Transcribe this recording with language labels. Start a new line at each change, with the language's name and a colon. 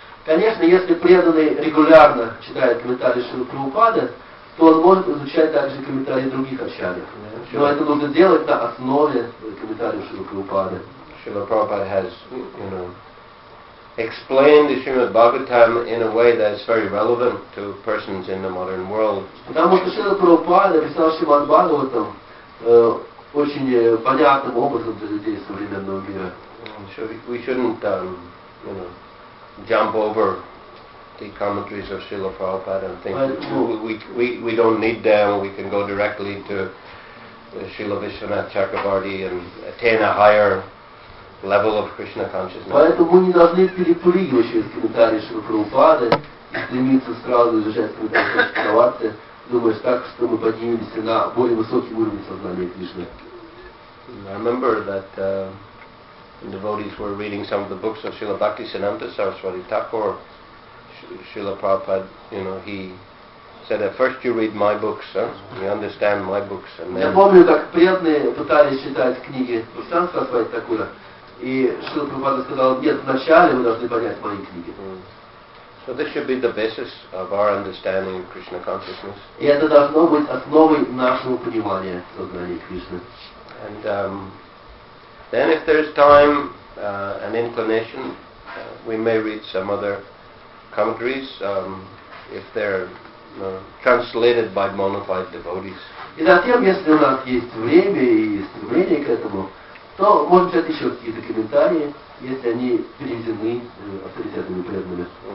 Russian: Конечно, если преданный регулярно читает комментарии Шрилы Прабхупады, то он может изучать также комментарии других ачарий. Но это нужно делать на основе комментариев Шрилы Прабхупады.
English: Srila Prabhupada has, you know, explain the Srimad Bhagavatam in a way that is very relevant to persons in the modern world.
Russian: Потому что Шрила Прабхупада написал Шримад Бхагаватам очень понятным образом для людей современного мира.
English: So we shouldn't, you know, jump over the commentaries of Srila Prabhupada and think we don't need them, we can go directly to Srila Vishwanath Chakravarti and attain a higher level of Krishna consciousness.
Russian: Поэтому мы не должны перепрыгивать через комментарии Шрилы Прабхупады и стремиться сразу изучать комментарии Шрилы Прабхупады, думая так, что мы поднимемся на более высокий уровень сознания Кришны.
English: I remember that devotees were reading some of the books of Srila Bhaktisiddhanta Saraswati Thakur. Srila Prabhupada, you know, he said, at first you read my books, you understand my books, and then...
Russian: Я помню, как преданные пытались читать книги Бхактисиддханта Сарасвати Такура. И Шрила Прабхупада сказал, нет, вначале вы должны понять мои книги.
English: So this should be the basis of our understanding of Krishna consciousness.
Russian: И это должно быть основой нашего понимания сознания Кришны.
English: And then if there's time and inclination, we may read some other commentaries if they're translated by bona fide devotees.
Russian: И затем, если у нас есть время и стремление к этому, то можно взять еще какие-то комментарии, если они переведены авторитетными преданными.